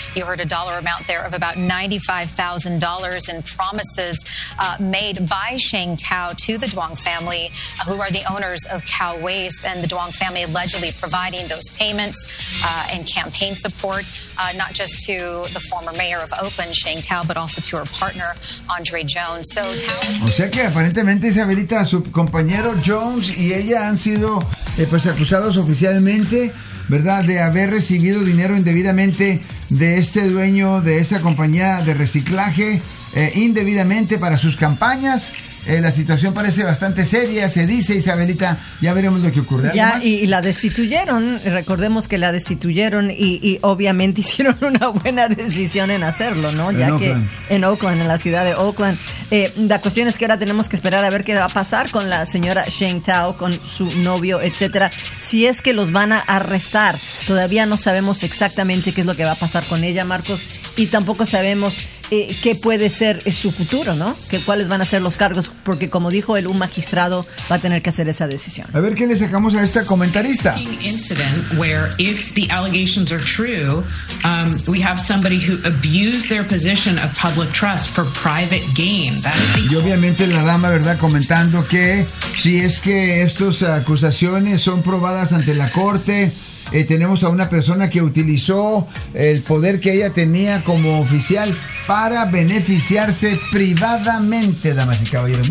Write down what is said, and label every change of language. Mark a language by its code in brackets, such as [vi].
[en] You heard a dollar amount there of about $95,000 in promises made by Shang Tao to the Duong family, who are the owners of Cal Waste, and the Duong family allegedly providing those payments and campaign support, not just to the former mayor of Oakland, Shang Tao, but also to her partner, Andre Jones. So, [es] o sea que aparentemente Isabelita, su compañero Jones y ella han sido pues acusados oficialmente, ¿verdad?, de haber recibido dinero indebidamente de este dueño de esta compañía de reciclaje, indebidamente para sus campañas. La situación parece bastante seria, se dice, Isabelita. Ya veremos lo que ocurre. Ya, y la destituyeron. Recordemos que la destituyeron y obviamente hicieron una buena decisión en hacerlo, ¿no? En ya Oakland. Que en Oakland, en la ciudad de Oakland. La cuestión es que ahora tenemos que esperar a ver qué va a pasar con la señora Shang Tao, con su novio, etcétera. Si es que los van a arrestar. Todavía no sabemos exactamente qué es lo que va a pasar con ella, Marcos. Y tampoco sabemos qué puede ser su futuro, ¿no? Que, ¿cuáles van a ser los cargos? Porque como dijo él, un magistrado va a tener que hacer esa decisión. A ver qué le sacamos a esta comentarista. [en] Incident where if the allegations are true, we have somebody who abused their position of public trust for private gain. [es] Y obviamente la dama, ¿verdad?, comentando que si es que estas acusaciones son probadas ante la corte, tenemos a una persona que utilizó el poder que ella tenía como oficial para beneficiarse privadamente, damas y caballeros.